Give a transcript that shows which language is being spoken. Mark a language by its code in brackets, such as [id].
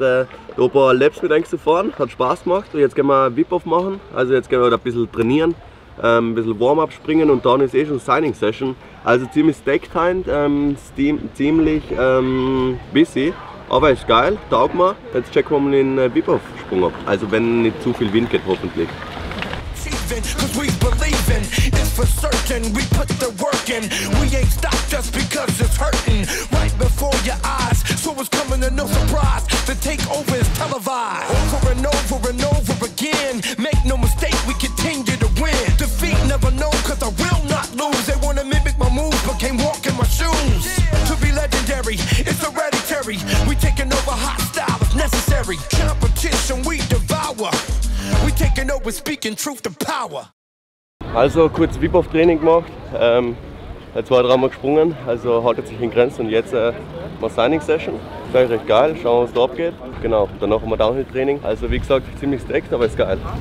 [de] Da ein paar Laps mit eingefahren, hat Spaß gemacht und jetzt gehen wir Whip-Off machen, also jetzt gehen wir ein bisschen trainieren, ein bisschen Warm-Up springen und dann ist eh schon Signing-Session, also ziemlich stacked-hind, ziemlich busy, aber ist geil, taugt mir, jetzt checken wir mal den Whip-Off-Sprung ab, also wenn nicht zu viel Wind geht hoffentlich. [en] leaving, cause we believing, it's for certain, we put the work in, we ain't stopped just because it's hurting, right before your eyes, so it's coming to no surprise, the takeover is televised, over and over and over again, make no mistake, we continue to win, defeat never known, cause I will not lose, they wanna mimic my moves, but can't walk in my shoes, to be legendary, it's hereditary, we taking over hostile if necessary, competition we devour. We taking over, speaking truth to power. [de] Also kurz Wipoff Training gemacht, zwei, dreimal gesprungen, also haut sich in Grenzen und jetzt mal Signing Session. Vielleicht recht geil, schauen wir, was da abgeht. Genau, dann noch einmal Downhill Training. Also wie gesagt, ziemlich stacked, aber ist geil.